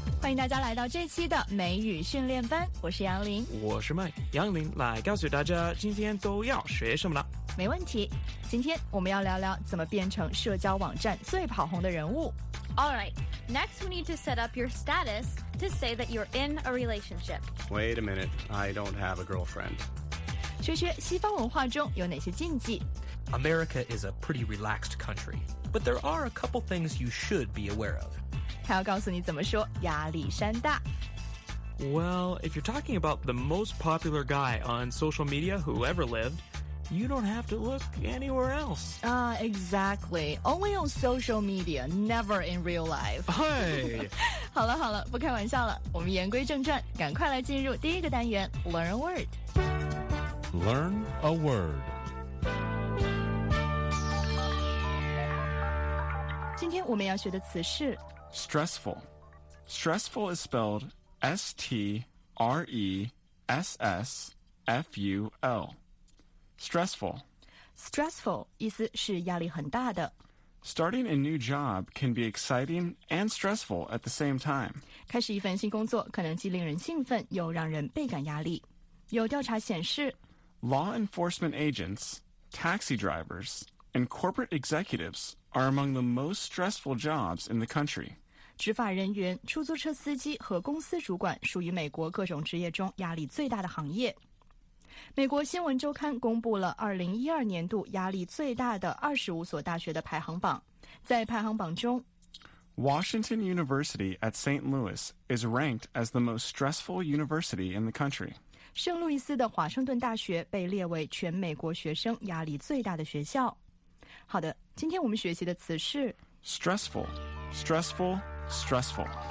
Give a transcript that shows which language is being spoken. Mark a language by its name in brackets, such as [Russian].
[Chinese] 迎大家来到这期的美语训练班，我是杨林，我是麦。杨林来告诉大家今天都要学什么了。没问题，今天我们要聊聊怎么变成社交网站最跑红的人物。 [English] Alright, next we need to set up your status to say that you're in a relationship. Wait a minute, I don't have a girlfriend. [Chinese] 学学西方文化中有哪些禁忌。 [English] America is a pretty relaxed country, but there are a couple things you should be aware of. [Chinese] 还要告诉你怎么说亚历山大。 [English] Well, if you're talking about the most popular guy on social media who ever lived, you don't have to look anywhere else. Exactly. Only on social media, never in real life. Hey! [Chinese] 好了好了，不开玩笑了，我们言归正传，赶快来进入第一个单元 Learn a Word. [English] Learn a Word. [Chinese] 今天我们要学的词是 [English] stressful. Stressful is spelled S-T-R-E-S-S-F-U-L. Stressful. [Chinese] Stressful 意思是压力很大的。 [English] Starting a new job can be exciting and stressful at the same time. [Chinese] 开始一份新工作可能既令人兴奋又让人倍感压力。有调查显示 [English] Law enforcement agents, taxi drivers, and corporate executivesare among the most stressful jobs in the country. [Chinese] 执法人员、出租车司机和公司主管属于美国各种职业中压力最大的行业。美国新闻周刊公布了2012年度压力最大的25所大学的排行榜。在排行榜中 [English] Washington University at St. Louis is ranked as the most stressful university in the country. [Chinese] 圣路易斯的华盛顿大学被列为全美国学生压力最大的学校。好的，今天我们学习的词是 [English] stressful, stressful, stressful.